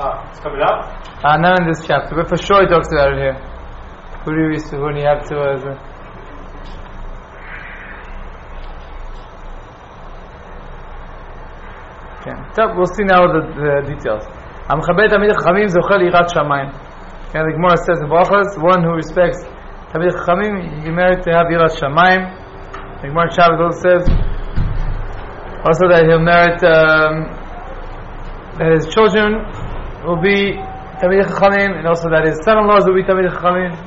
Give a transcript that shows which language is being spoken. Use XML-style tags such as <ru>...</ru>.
<en>It's coming up? Not in this chapter, but for sure he talks about it here. Who do you serve when you have to... טוב, we'll see now the details.</en> <he>המכבד תמיד חכמים זוכה ליראת שמיים.</he> <en>כן, the Gemara says in Brachos, one who respects תמיד חכמים, he merits to have יראת שמיים. The Gemara in Shabbat also says, also that he'll merit that his children will be תמיד חכמים, and also that his son-in-laws will be תמיד חכמים.</en>